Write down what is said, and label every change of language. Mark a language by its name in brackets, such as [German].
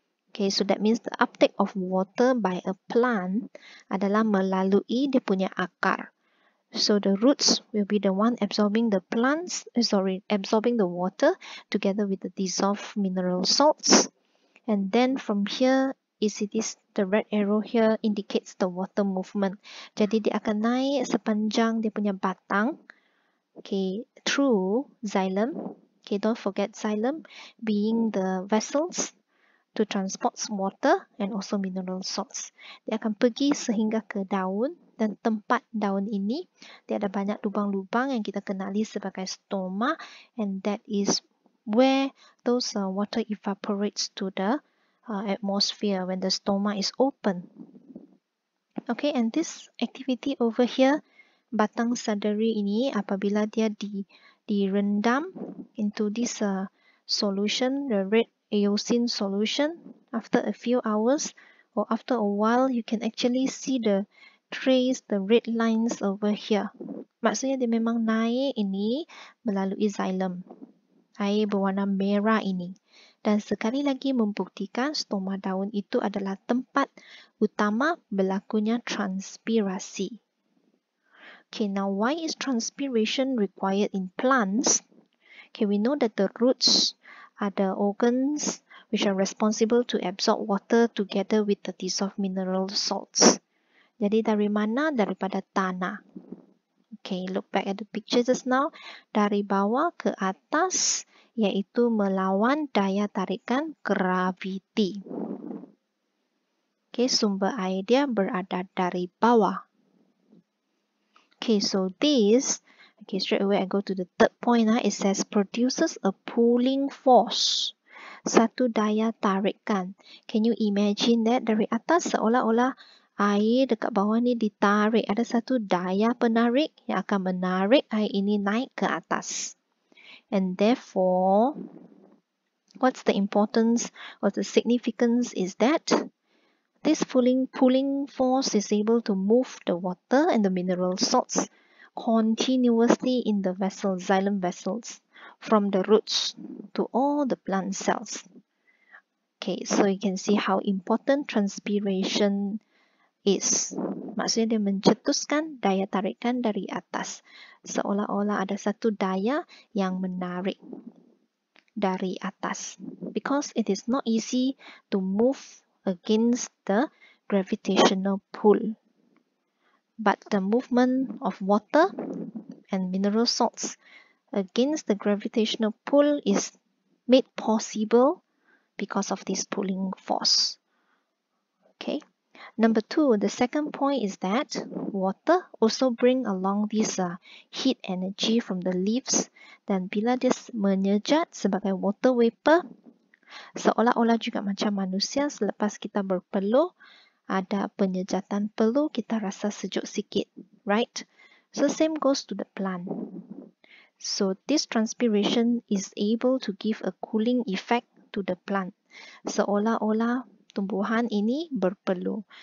[English] Okay, so that means the uptake of water by a plant [Malay] adalah melalui dia punya akar. [English] So the roots will be the one absorbing the absorbing the water together with the dissolved mineral salts. And then from here, is it is the red arrow here indicates the water movement. [Malay] Jadi dia akan naik sepanjang dia punya batang. [English] Okay, through xylem. Okay, don't forget xylem being the vessels to transport water and also mineral salts. [Malay] Dia akan pergi sehingga ke daun. Dan tempat daun ini, dia ada banyak lubang-lubang yang kita kenali sebagai stoma, [English] and that is where those water evaporates to the atmosphere when the stoma is open. Okay, and this activity over here, [Malay] batang sadari ini apabila dia direndam [English] into this solution, the red eosin solution, after a few hours or after a while, you can actually see the trace the red lines over here. [Malay] Maksudnya dia memang naik ini melalui xylem. Air berwarna merah ini. Dan sekali lagi membuktikan stoma daun itu adalah tempat utama berlakunya transpirasi. [English] Okay, now why is transpiration required in plants? Okay, we know that the roots are the organs which are responsible to absorb water together with the dissolved mineral salts. [Malay] Jadi dari mana? Daripada tanah. [English] Okay, look back at the picture just now. [Malay] Dari bawah ke atas, yaitu melawan daya tarikan gravity. Okay, sumber air dia berada dari bawah. [English] Okay, so this, okay, straight away I go to the third point. It says produces a pulling force. [Malay] Satu daya tarikan. [English] Can you imagine that? [Malay] Dari atas seolah-olah air dekat bawah ni ditarik. Ada satu daya penarik yang akan menarik air ini naik ke atas. [English] And therefore, what's the importance or the significance is that this pulling force is able to move the water and the mineral salts continuously in the vessel, xylem vessels, from the roots to all the plant cells. Okay, so you can see how important transpiration is. [Malay] Maksudnya dia mencetuskan daya tarikan dari atas. Seolah-olah ada satu daya yang menarik dari atas. [English] Because it is not easy to move against the gravitational pull. But the movement of water and mineral salts against the gravitational pull is made possible because of this pulling force. Okay. Number two, the second point is that water also bring along this heat energy from the leaves. [Malay] Dan bila dia menyejat sebagai water vapor, seolah-olah juga macam manusia selepas kita berpeluh, ada penyejatan peluh, kita rasa sejuk sikit, right? [English] So same goes to the plant. So this transpiration is able to give a cooling effect to the plant. [Malay] Seolah-olah tumbuhan ini berpeluh.